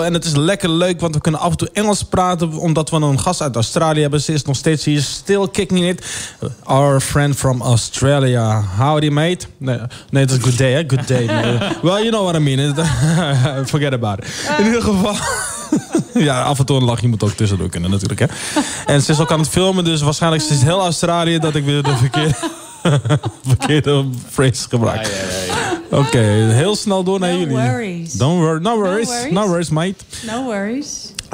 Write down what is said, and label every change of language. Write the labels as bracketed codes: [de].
[nl] En het is lekker leuk, want we kunnen af en toe Engels praten. Omdat we een gast uit Australië hebben. Ze is nog steeds hier. [en] Still kicking it. Our friend from Australia. Howdy, mate. [nl] Nee, dat is [en] good day, hè? Good day. Well, you know what I mean. Forget about it. [nl] In ieder geval... Ja, af en toe een lachje moet ook tussendoor kunnen natuurlijk, hè. En ze is ook aan het filmen, dus waarschijnlijk is het heel Australië... dat ik weer de verkeerde phrase gebruik. Oké, okay, heel snel door naar jullie. [en] No worries, mate. No worries.